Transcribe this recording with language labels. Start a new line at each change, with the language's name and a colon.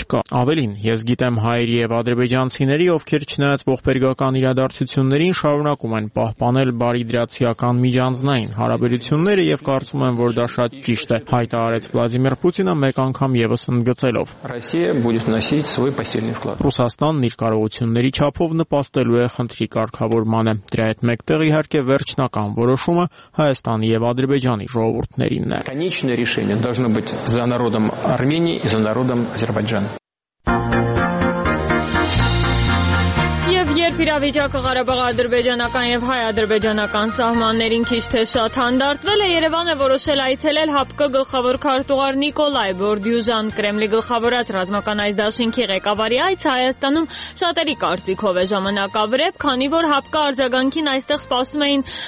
Armenian: չկա։ Ավելին, ես գիտեմ հայեր եւ ադրբեջանցիների, ովքեր չնայած ողբերգական իրադարձություններին շարունակում են պահպանել բարիդրացիական միջանձնային հարաբերությունները, եւ կարծում եմ, որ դա շատ ճիշտ է, հայտարարեց Վլադիմիր Պուտինը մեկ անգամ եւս ընդգծելով։ Ռուսաստանն իր կարողությունների չափով նպաստելու է խնդրի կարգավորմանը։ Դրա հետ մեկտեղ, իհարկե, վերջնական որոշումը Հայաստանի եւ Ադրբեջանի ժողովուրդներինն է։
Russian: Конечное решение должно быть за народом Армении и за народом Азербайджана։
Armenian: Իրավիճակը Ղարաբաղ-ադրբեջանական եւ հայ-ադրբեջանական սահմաններին քիչ թե շատ հանդարտվել է, Երևանը որոշել այցելել ՀԱՊԿ գլխավոր քարտուղար Նիկոլայ Բորդյուժան։ Կրեմլի գլխավորած ռազմական այս դաշինքի ղեկավարի այց Հայաստանում շատերի կարծիքով է ժամանակավրեպ, քանի որ ՀԱՊԿ արձագանքին այստեղ սպասում էին